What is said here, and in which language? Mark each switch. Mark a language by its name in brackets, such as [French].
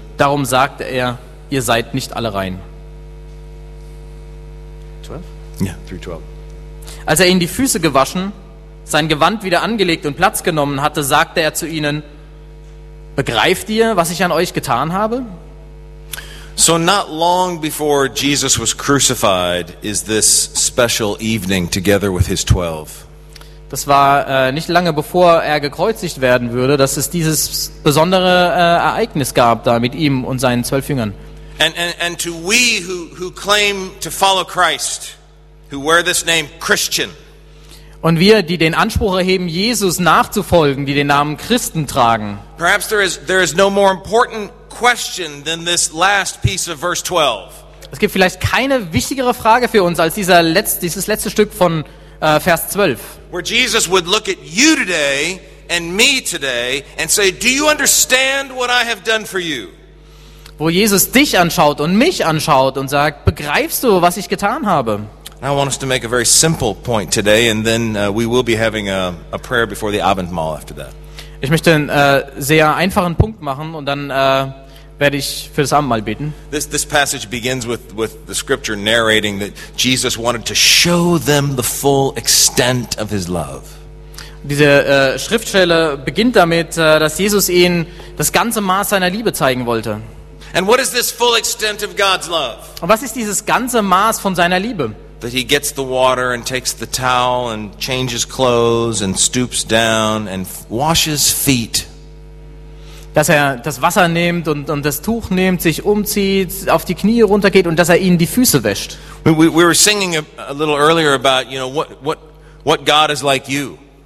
[German] Darum sagte er: Ihr seid nicht alle rein. 12? Ja, 3:12. Als er ihnen die Füße gewaschen, sein Gewand wieder angelegt und Platz genommen hatte, sagte er zu ihnen: Begreift ihr, was ich an euch getan habe? [English] So not long before Jesus was crucified is this special evening together with his 12. [German] Das war nicht lange bevor er gekreuzigt werden würde, dass es dieses besondere Ereignis gab da mit ihm und seinen 12 Jüngern. [English] And to we who claim to follow Christ, who wear this name Christian. [German] Und wir, die den Anspruch erheben, Jesus nachzufolgen, die den Namen Christen tragen. [English] Perhaps there is no more important question than this last piece of verse 12. [German] Es gibt vielleicht keine wichtigere Frage für uns als dieses letzte Stück von Vers 12. [English] Where Jesus would look at you today and me today and say, do you understand what I have done for you? [German] Wo Jesus dich anschaut und mich anschaut und sagt, begreifst du, was ich getan habe? [English] I want us to make a very simple point today and then we will be having a prayer before the Abendmahl after that. [German] Ich möchte einen sehr einfachen Punkt machen und dann werde ich für das Abendmahl beten. [English] This passage begins with the scripture narrating that Jesus wanted to show them the full extent of his love. [German] Diese Schriftstelle beginnt damit, dass Jesus ihnen das ganze Maß seiner Liebe zeigen wollte. [English] And what is this full extent of God's love? [German] Und was ist dieses ganze Maß von seiner Liebe? [English] That he gets the water and takes the towel and changes clothes and stoops down and washes feet. [German] Dass er das Wasser nimmt und das Tuch nimmt, sich umzieht, auf die Knie runtergeht und dass er ihnen die Füße wäscht. [English] We were singing a little earlier about, you know, what God is like you.